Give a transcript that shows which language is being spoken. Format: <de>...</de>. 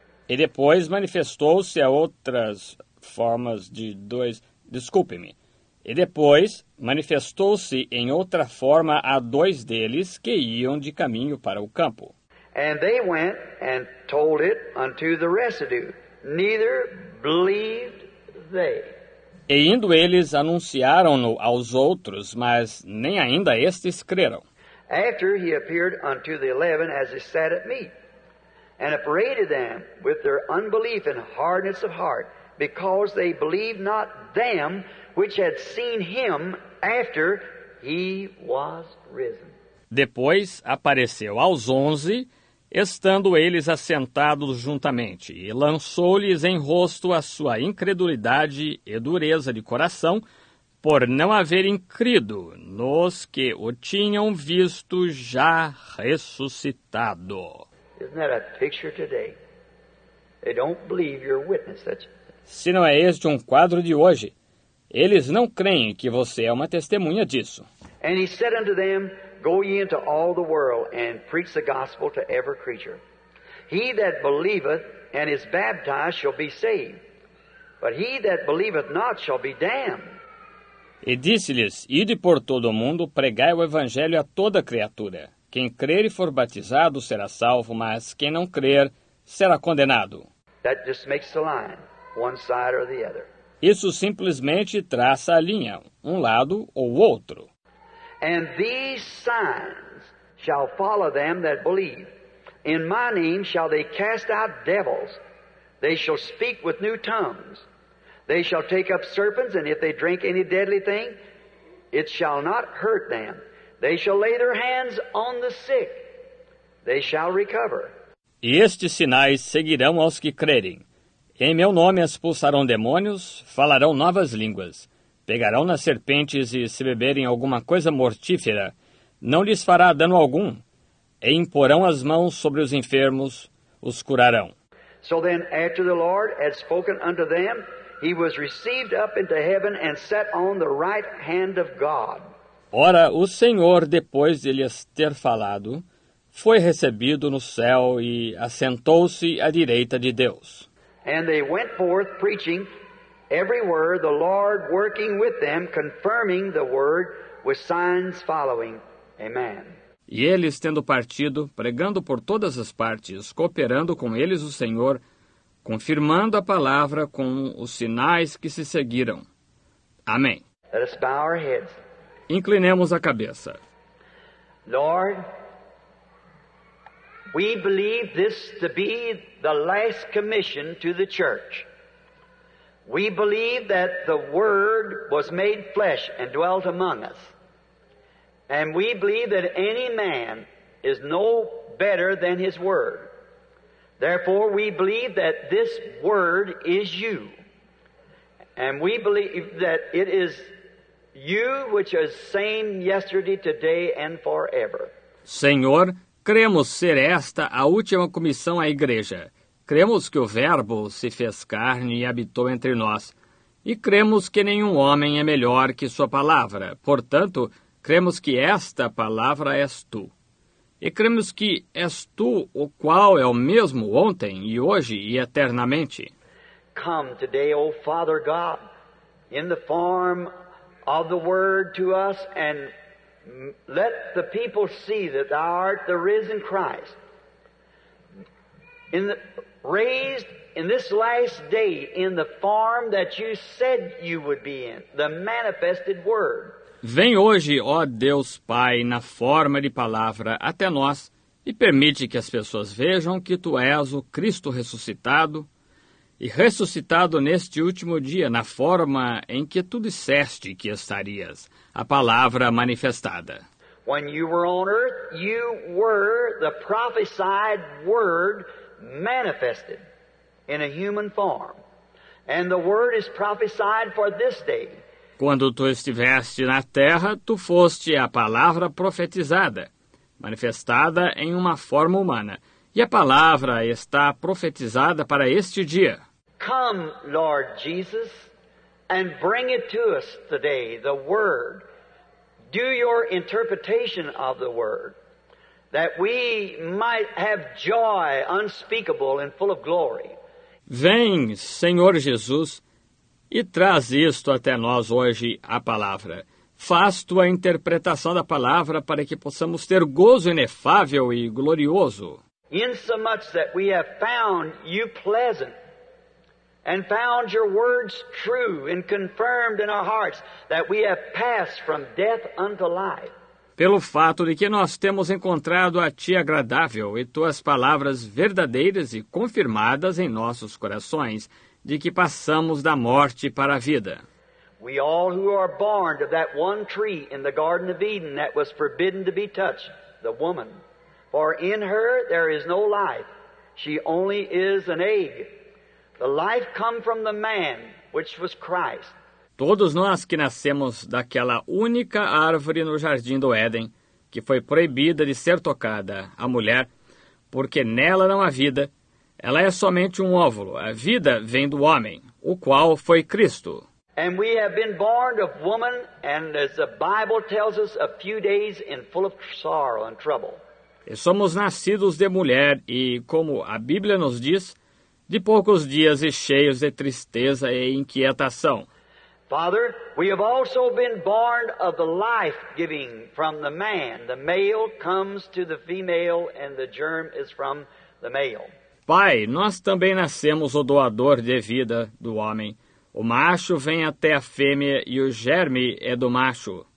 <pt>E depois manifestou-se a outras formas de dois... E depois manifestou-se em outra forma a dois deles que iam de caminho para o campo.</pt> <en>And they went and told it unto the residue. Neither believed they.</en> <pt>E indo eles, anunciaram-no aos outros, mas nem ainda estes creram.</pt> <en>After he appeared unto the 11 as they sat at meat, and upbraided them with their unbelief and hardness of heart, because they believed not them which had seen him after he was risen.</en> <pt>Depois apareceu aos 11, estando eles assentados juntamente, e lançou-lhes em rosto a sua incredulidade e dureza de coração, por não haverem crido nos que o tinham visto já ressuscitado.</pt> <en>Isn't that a picture today? They don't believe your witness.</en> <pt>Se não é este um quadro de hoje, eles não creem que você é uma testemunha disso.</pt> <en>And he said unto them, go ye into all the world and preach the gospel to every creature. He that believeth and is baptized shall be saved, but he that believeth not shall be damned.</en> <pt>E disse-lhes, ide por todo o mundo, pregai o evangelho a toda criatura. Quem crer e for batizado será salvo, mas quem não crer será condenado.</pt> <en>That just makes the line, one side or the other.</en> <pt>Isso simplesmente traça a linha, um lado ou outro.</pt> <en>And these signs shall follow them that believe. In my name shall they cast out devils. They shall speak with new tongues. They shall take up serpents, and if they drink any deadly thing, it shall not hurt them. They shall lay their hands on the sick. They shall recover.</en> <pt>E estes sinais seguirão aos que crerem. Em meu nome expulsarão demônios, falarão novas línguas. Pegarão nas serpentes e, se beberem alguma coisa mortífera, não lhes fará dano algum. E imporão as mãos sobre os enfermos, os curarão.</pt> <en>So then, after the Lord had spoken unto them, he was received up into heaven and sat on the right hand of God.</en> <pt>Ora, o Senhor, depois de lhes ter falado, foi recebido no céu e assentou-se à direita de Deus.</pt> <en>And they went forth preaching everywhere, the Lord working with them, confirming the word with signs following. Amen.</en> <pt>E eles, tendo partido, pregando por todas as partes, cooperando com eles o Senhor, confirmando a palavra com os sinais que se seguiram. Amém.</pt> <en>Let us bow our heads.</en> <pt>Inclinemos a cabeça.</pt> <en>Lord, we believe this to be the last commission to the church. We believe that the Word was made flesh and dwelt among us. And we believe that any man is no better than his Word. Therefore, we believe that this Word is you. And we believe that it is you which is same yesterday, today, and forever.</en> <pt>Senhor, cremos ser esta a última comissão à Igreja. Cremos que o Verbo se fez carne e habitou entre nós. E cremos que nenhum homem é melhor que sua palavra. Portanto, cremos que esta palavra és tu. E cremos que és tu o qual é o mesmo ontem e hoje e eternamente.</pt> <en>Come today, O Father God, in the form of the Word to us, and let the people see that thou art the risen Christ. Raised in this last day in the form that you said you would be in, the manifested Word.</en> <pt>Vem hoje, ó Deus Pai, na forma de palavra até nós e permite que as pessoas vejam que tu és o Cristo ressuscitado e ressuscitado neste último dia na forma em que tu disseste que estarias, a palavra manifestada.</pt> <en>When you were on earth, you were the prophesied Word manifested in a human form. And the Word is prophesied for this day.</en> <pt>Quando tu estiveste na terra, tu foste a palavra profetizada, manifestada em uma forma humana. E a palavra está profetizada para este dia.</pt> <en>Come, Lord Jesus, and bring it to us today, the Word. Do your interpretation of the Word, that we might have joy unspeakable and full of glory.</en> <pt>Vem, Senhor Jesus, e traz isto até nós hoje, a palavra. Faz tua interpretação da palavra para que possamos ter gozo inefável e glorioso.</pt> <en>Insomuch that we have found you pleasant and found your words true and confirmed in our hearts that we have passed from death unto life.</en> <pt>Pelo fato de que nós temos encontrado a ti agradável e tuas palavras verdadeiras e confirmadas em nossos corações, de que passamos da morte para a vida.</pt> <en>We all who are born of that one tree in the Garden of Eden that was forbidden to be touched, the woman. For in her there is no life. She only is an egg. The life come from the man, which was Christ.</en> <pt>Todos nós que nascemos daquela única árvore no Jardim do Éden, que foi proibida de ser tocada, a mulher, porque nela não há vida, ela é somente um óvulo. A vida vem do homem, o qual foi Cristo.</pt> <en>And we have been born of woman, and as the Bible tells us, a few days in full of sorrow and trouble.</en> <pt>E somos nascidos de mulher, e como a Bíblia nos diz, de poucos dias e cheios de tristeza e inquietação.</pt> <en>Father, we have also been born of the life-giving from the man. The male comes to the female, and the germ is from the male.</en> <pt>Pai, nós também nascemos o doador de vida do homem. O macho vem até a fêmea e o germe é do macho.</pt>